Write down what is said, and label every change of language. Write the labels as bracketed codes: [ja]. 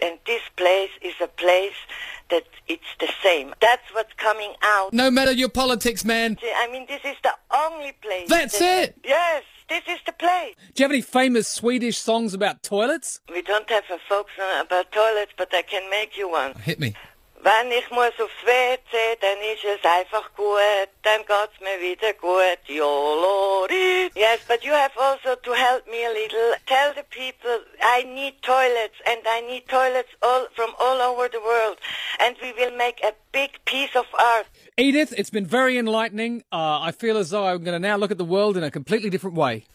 [en] And this place is a place that it's the same. That's what's coming out. No matter your politics, man. I mean, this is the only place. That's it! Yes! This is the place. Do you have any famous Swedish songs about toilets? We don't have a folk song about toilets, but I can make you one. Hit me. [de] Wenn ich muss aufs WC, dann ist es einfach gut, dann geht's mir wieder gut, jo lori. [en] Yes, but you have also to help me a little. Tell the people I need toilets, and I need toilets all from all over the world, and we will make a big piece of art. Edith, it's been very enlightening. I feel as though I'm going to now look at the world in a completely different way.